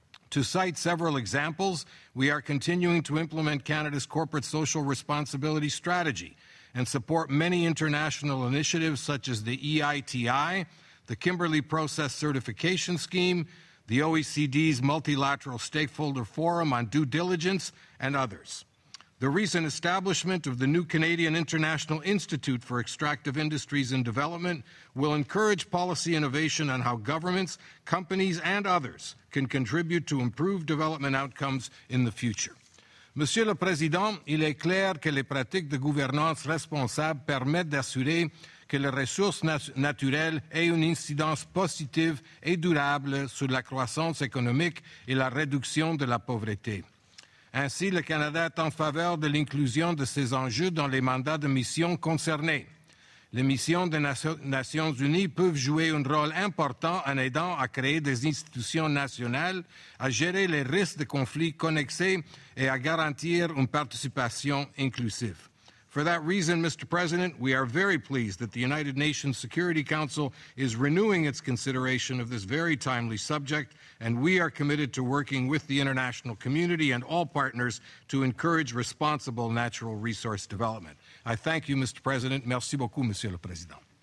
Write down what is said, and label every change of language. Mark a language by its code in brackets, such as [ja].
[en] To cite several examples, we are continuing to implement Canada's corporate social responsibility strategy and support many international initiatives such as the EITI, the Kimberley Process Certification Scheme, the OECD's Multilateral Stakeholder Forum on Due Diligence, and others. The recent establishment of the new Canadian International Institute for Extractive Industries and Development will encourage policy innovation on how governments, companies, and others can contribute to improved development outcomes in the future. [fr] Monsieur le Président, il est clair que les pratiques de gouvernance responsable permettent d'assurer que les ressources naturelles aient une incidence positive et durable sur la croissance économique et la réduction de la pauvreté. Ainsi, le Canada est en faveur de l'inclusion de ces enjeux dans les mandats de mission concernés. Les missions des Nations Unies peuvent jouer un rôle important en aidant à créer des institutions nationales, à gérer les risques de conflits connexes et à garantir une participation inclusive. [en] For that reason, Mr. President, we are very pleased that the United Nations Security Council is renewing its consideration of this very timely subject, and we are committed to working with the international community and all partners to encourage responsible natural resource development. I thank you, Mr. President. [fr] Merci beaucoup, Monsieur le Président.